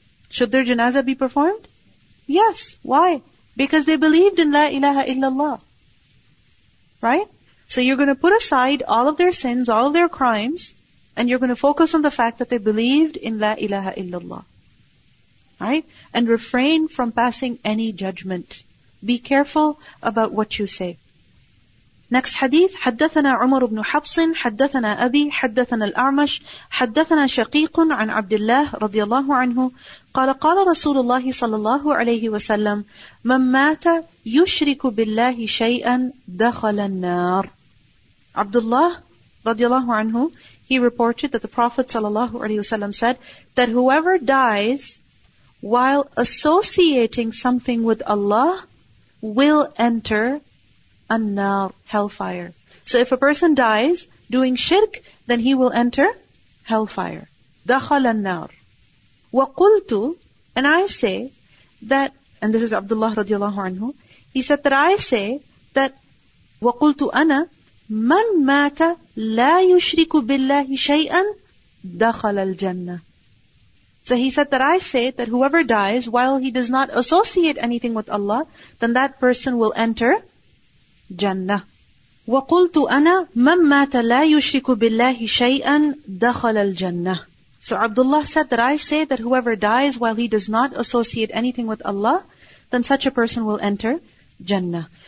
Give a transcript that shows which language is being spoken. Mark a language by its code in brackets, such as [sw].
[en] Should their janazah be performed? Yes. Why? Because they believed in La ilaha illallah. Right? So you're going to put aside all of their sins, all of their crimes, and you're going to focus on the fact that they believed in La ilaha illallah. Right? And refrain from passing any judgment. Be careful about what you say. Next hadith, [ar] حدثنا عمر بن حفص حدثنا أبي حدثنا الأعمش حدثنا شقيق عن عبد الله رضي الله عنه قال قال رسول الله صلى الله عليه وسلم من مات يشرك بالله شيئا دخل النار. [en] عبد الله رضي الله عنه, he reported that the Prophet صلى الله عليه وسلم said that whoever dies while associating something with Allah will enter An-nar, hellfire. So if a person dies doing shirk, then he will enter hellfire. [ar] دخل النار. [en] وقلت, and I say that, and this is Abdullah رضي الله عنه, he said that I say that, [ar] وقلت أنا, من مات لا يشرك بالله شيئا دخل الجنة. [en] So he said that I say that whoever dies while he does not associate anything with Allah, then that person will enter Jannah. [ar] وَقُلْتُ أَنَا مَنْ مَاتَ لَا يُشْرِكُ بِاللَّهِ شَيْئًا دَخَلَ الْجَنَّةِ. [en] So Abdullah said that I say that whoever dies while he does not associate anything with Allah, then such a person will enter Jannah.